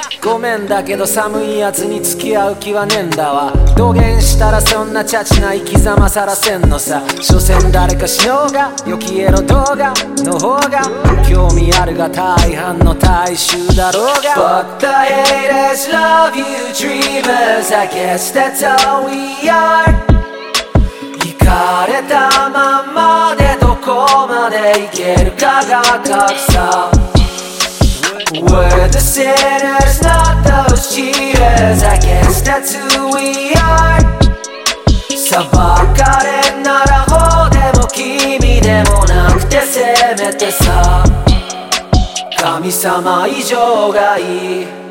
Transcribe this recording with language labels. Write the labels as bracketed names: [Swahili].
[Japanese] ごめんだけど寒いやつに付き合う気はねえんだわ、どげんしたらそんなチャチな生き様さらせんのさ、所詮誰か死のうが良きエロ動画の方が興味あるが大半の大衆だろうが、 [English] Fuck the haters, love you dreamers, I guess that's all we are。 [Japanese] イカれたまんまでどこまでいけるかが格差。 [English] We're the sinners, not those cheaters, I guess that's who we are。 [Japanese] 裁かれんなら法でも君でもなくて、せめてさ神様以上がいい。